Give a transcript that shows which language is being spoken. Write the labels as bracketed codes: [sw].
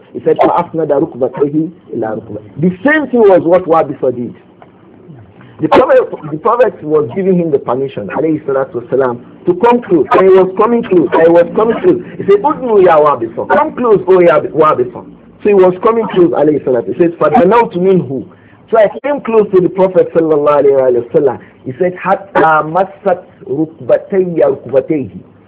[en] He said, [ar] فَأَفْنَدَ رُكْبَتَهِ إِلَّا رُكْبَتَهِ. [en] The same thing was what Wabisa did. The Prophet was giving him the permission, [ar] alayhi salatu wasalam, [en] to come close. And he was coming close. He said, [ar] أُدْنُوا يَا [en] Wabisa. Come close, O Wabisa. So he was coming close, alayhi salatu. He said, [ar] فَدَنَوْتُ مِنْهُ. [en] So I came close to the Prophet sallallahu alayhi wa sallam. He said, [ar] حَتَّى مَسَّتْ رُكْبَتَيَّ رُكْبَتَيْهِ.